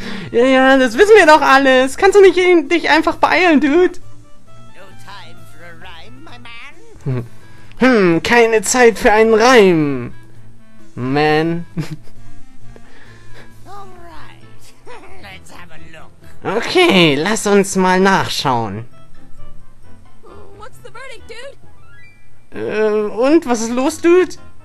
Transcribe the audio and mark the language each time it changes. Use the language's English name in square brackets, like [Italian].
[German] Ja, ja, das wissen wir doch alles. Kannst du nicht dich einfach beeilen, Dude? [English] No time for a rhyme, my man. [German] Keine Zeit für einen Reim, man. [English] Alright. Let's have a look. [German] Okay, lass uns mal nachschauen. [English] What's the verdict, Dude? [German] Und was ist los, Dude?